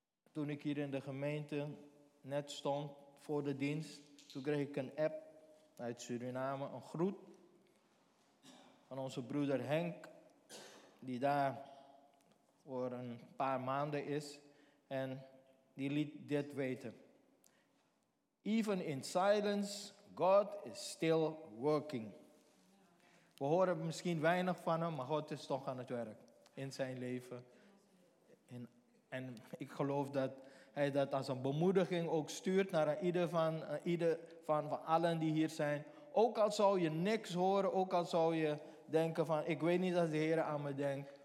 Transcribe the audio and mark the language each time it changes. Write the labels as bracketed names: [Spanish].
[Dutch] Toen ik hier in de gemeente net stond voor de dienst, toen kreeg ik een app uit Suriname, een groet van onze broeder Henk, die daar voor een paar maanden is, en die liet dit weten. [English] Even in silence, God is still working. [Dutch] We horen misschien weinig van hem, maar God is toch aan het werk in zijn leven. En ik geloof dat hij dat als een bemoediging ook stuurt naar ieder van allen die hier zijn. Ook al zou je niks horen, ook al zou je denken van, ik weet niet of de Heer aan me denkt.